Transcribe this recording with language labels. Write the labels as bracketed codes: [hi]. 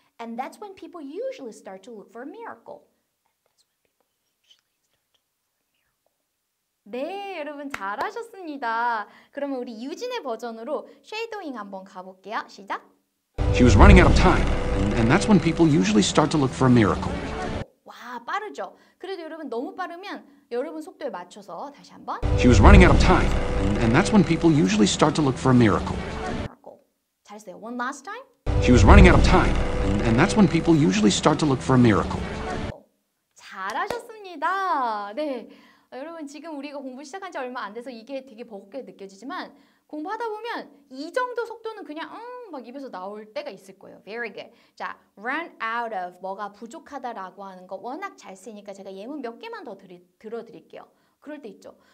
[en] And that's when people usually start to look for a miracle. [ko] 네, 여러분 잘하셨습니다. 그러면 우리 유진의 버전으로 쉐도잉 한번 가볼게요. 시작! [en] She was running out of time. And that's when people usually start to look for a miracle. [ko] 와, 빠르죠? 그래도 여러분 너무 빠르면 여러분 속도에 맞춰서 다시 한번 [en] She was running out of time. And that's when people usually start to look for a miracle. [ko] 잘했어요. [en] One last time. She was running out of time. And that's when people usually start to look for a miracle. [ko] 잘하셨습니다. 네. 여러분 지금 우리가 공부 시작한 지 얼마 안 돼서 이게 되게 버겁게 느껴지지만 공부하다 보면 이 정도 속도는 그냥 막 입에서 나올 때가 있을 거예요. [en] Very good. [ko] 자, run out of 뭐가 부족하다라고 하는 거 워낙 잘 쓰니까 제가 예문 몇 개만 더 들어드릴게요. 그럴 때 있죠.